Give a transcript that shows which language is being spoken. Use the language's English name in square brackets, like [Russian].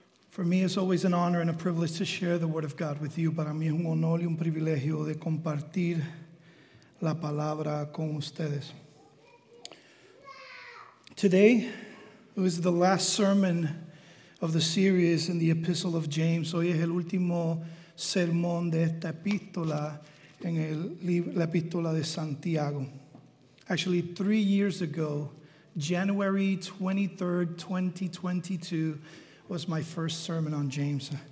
[English] For me, it's always an honor and a privilege to share the word of God with you. [Spanish] Para mí es un honor y un privilegio de compartir la palabra con ustedes. [English] Today, it was the last sermon of the series in the Epistle of James. [Spanish] Hoy es el último sermón de esta epístola en la epístola de Santiago. [English] Actually, 3 years ago, January 23rd, 2022, was my first sermon on James.